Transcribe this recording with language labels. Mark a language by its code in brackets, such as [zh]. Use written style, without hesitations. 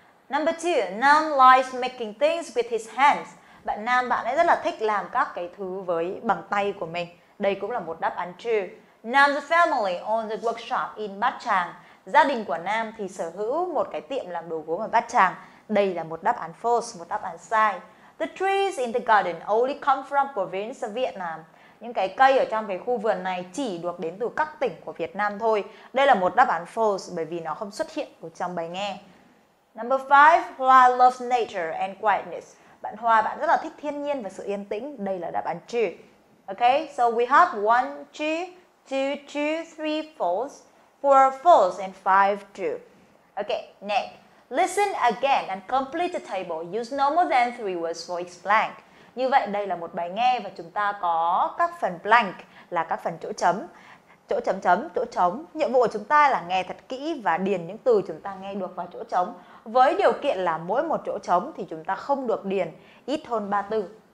[en] Number 2, Nam likes making things with his hands. [vi] Bạn Nam, bạn ấy rất là thích làm các cái thứ với bằng tay của mình. Đây cũng là một đáp án true. [en] Nam's family owns a workshop in Bát Tràng. [vi] Gia đình của Nam thì sở hữu một cái tiệm làm đồ gốm ở Bát Tràng. Đây là một đáp án false, một đáp án sai. [en] The trees in the garden only come from province of Vietnam. [vi] Những cái cây ở trong cái khu vườn này chỉ được đến từ các tỉnh của Việt Nam thôi. Đây là một đáp án false bởi vì nó không xuất hiện ở trong bài nghe. [en] Number 5, Hoa loves nature and quietness. [vi] Bạn Hoa, bạn rất là thích thiên nhiên và sự yên tĩnh. Đây là đáp án true. [en] Okay, so we have 1, 2, 2, 2, 3, false, 4, false, and 5, true. Okay, next. Listen again and complete the table. Use no more than 3 words for each blank. [vi] Như vậy, đây là một bài nghe và chúng ta có các phần blank là các phần chỗ chấm. Chỗ chấm chấm, chỗ trống. Nhiệm vụ của chúng ta là nghe thật kỹ và điền những từ chúng ta nghe được vào chỗ trống. Với điều kiện là mỗi một chỗ trống thì chúng ta không được điền ít hơn 3 từ.